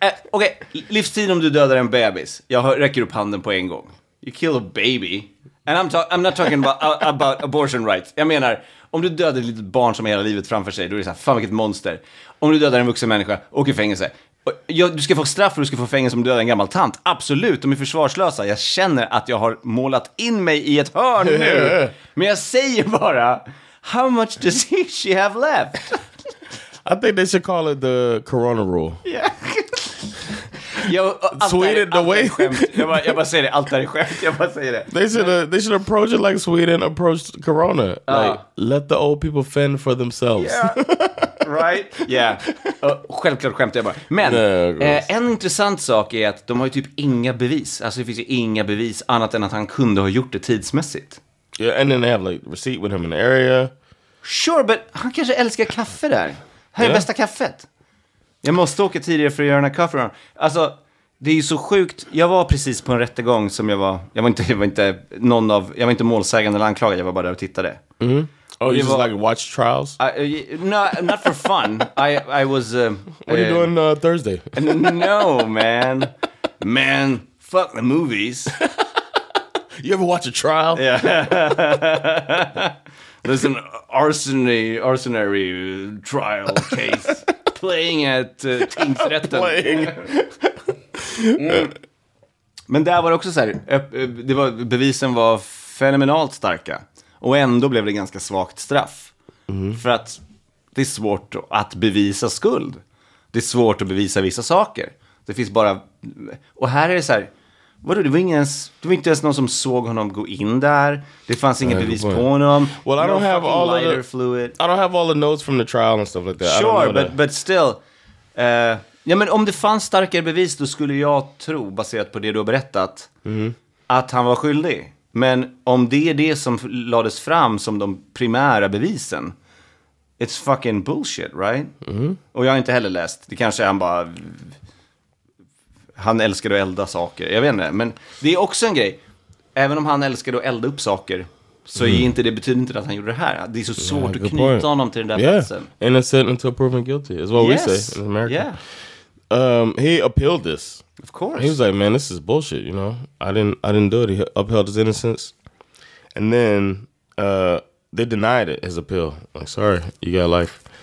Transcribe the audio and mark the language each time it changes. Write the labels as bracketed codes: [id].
[sv] Okay, livstid om du dödar en bebis. Jag räcker upp handen på en gång. [en] You kill a baby. And I'm not talking about abortion rights. [sv] Jag menar, om du dödar ett litet barn som har hela livet framför sig, då är det så här, fan vilket monster. Om du dödar en vuxen människa, åker i fängelse. Du ska få straff och du ska få fängelse om du dödar en gammal tant. Absolut, de är försvarslösa. Jag känner att jag har målat in mig i ett hörn nu. Men jag säger bara, [en] how much does she have left? I think they should call it the corona rule. Yeah. Yo, Sweden, the way... [sv] Jag bara säger det, allt är skämt. Jag bara säger det. [en] They should approach it like Sweden approached corona. Like, let the old people fend for themselves. Yeah. Right? Yeah. [sv] Självklart skämt jag bara. Men en intressant sak är att de har ju typ inga bevis. Alltså det finns ju inga bevis annat än att han kunde ha gjort det tidsmässigt. [en] Yeah, and then they have like receipt with him in the area. Sure, but [sv] han kanske älskar kaffe där. Här är bästa kaffet. Jag måste åka tidigare för att göra den här kaffet. Alltså, det är ju så sjukt. Jag var precis på en rättegång som jag var... Jag var inte målsägande eller anklagad. Jag var bara där och tittade. Mm-hmm. [en] Oh, you just like watch trials? No, not for fun. I was... What are you doing Thursday? No, man. Man, fuck the movies. You ever watch a trial? Yeah. There's an arsonary trial case playing at tingsrätten. Playing. [sv] Men där var det också så här, det var, bevisen var fenomenalt starka. Och ändå blev det ganska svagt straff. Mm. För att det är svårt att bevisa skuld. Det är svårt att bevisa vissa saker. Det finns bara... Och här är det så här, Vadå, det var inte ens någon som såg honom gå in där. Det fanns inget bevis på honom. [en] Well, I don't have all of the fluid. I don't have all the notes from the trial and stuff like that. Sure, but still. [sv] Ja, men om det fanns starkare bevis, då skulle jag tro, baserat på det du har berättat, att han var skyldig. Men om det är det som lades fram som de primära bevisen, [en] it's fucking bullshit, right? Mm-hmm. [sv] Och jag har inte heller läst. Det kanske är han bara... Han älskade att elda saker. Jag vet inte. Men det är också en grej. Även om han älskade att elda upp saker, så är inte det betyder inte att han gjorde det här. Det är så svårt att knyta honom till den där platsen. [en] Innocent until proven guilty is what we say in America. Yeah. He appealed this. Of course. He was like, man, this is bullshit, you know. I didn't do it. He upheld his innocence. And then they denied it, his appeal. Like, sorry, you got life.